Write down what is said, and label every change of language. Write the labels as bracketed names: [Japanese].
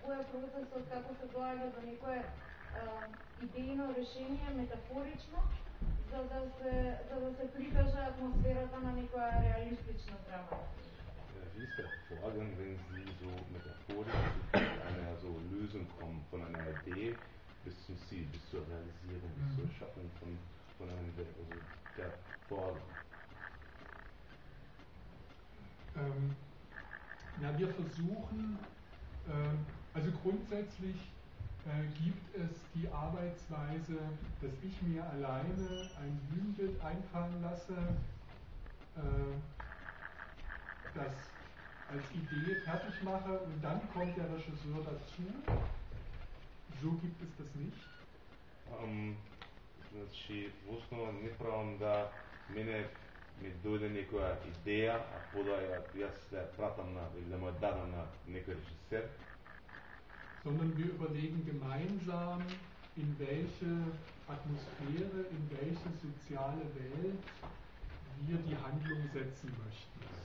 [Macedonian] Кој е процесот како се доаѓа до некоја идејно решение метафорично за да се прикаже атмосферата на некоја реалистична драма? [German] Wie ist der Vorgang, wenn Sie so metaphorisch einer so Lösung kommen von einer Idee bis zum Ziel, bis zur Realisierung, bis zur Schaffung von einem Werk, also der Vorgang? Ja, wir versuchen, also grundsätzlich gibt es die Arbeitsweise, dass ich mir alleine ein Bühnenbild einfallen lasse, das als Idee fertig mache und dann kommt der Regisseur dazu. So gibt es das nicht. [Macedonian] Значи, во основа не правам да мене ми дојде некоја идеја, а подоја јас се пратам на или да му е дадам на некој режисер. [German] Sondern wir überlegen gemeinsam, in welche Atmosphäre, in welche soziale Welt wir die Handlung setzen möchten.